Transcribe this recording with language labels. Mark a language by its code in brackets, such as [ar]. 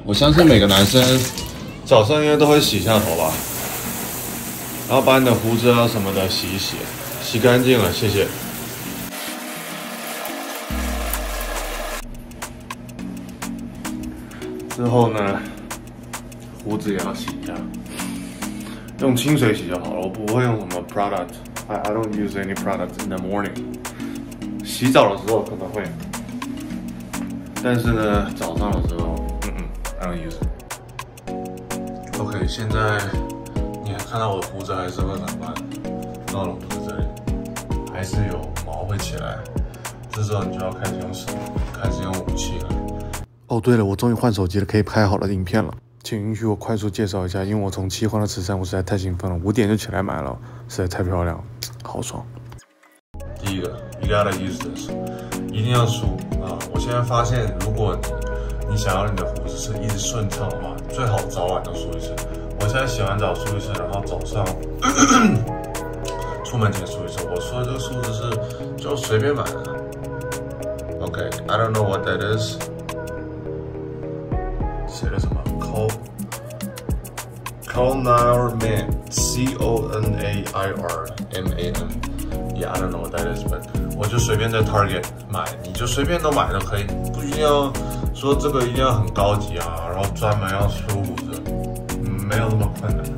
[zh] 我相信每个男生早上应该都会洗一下头吧，然后把你的胡子啊什么的洗一洗，洗干净了，谢谢。之后呢，胡子也要洗一下，用清水洗就好了，我不会用什么 product。 [en] I don't use any products in the morning。 [zh] 洗澡的时候可能会，但是呢，早上的时候， [en] I don't use it。 [zh] OK，现在你还看到我的胡子还是会很乱，到了胡子这里，还是有毛会起来。这时候你就要开始用武器了。哦，对了，我终于换手机了，可以拍好了影片了。请允许我快速介绍一下，因为我从七换了13，我实在太兴奋了，5点就起来买了，实在太漂亮了。好爽！第一个， [en] you gotta use this， [zh] 一定要梳啊！我现在发现，如果你想要你的胡子是一直顺畅的话，最好早晚都梳一次。我现在洗完澡梳一次，然后早上出门前梳一次。我说的这个梳子是就随便买的。 [en] OK，I don't know what that is。 [zh] 写了什么？Conairman。Conairman， [en] I don't know what that is, but [zh] 我就随便在 Target 买，你就随便都买都可以，不一定要说这个一定要很高级啊，然后专门要梳胡子，没有那么困难。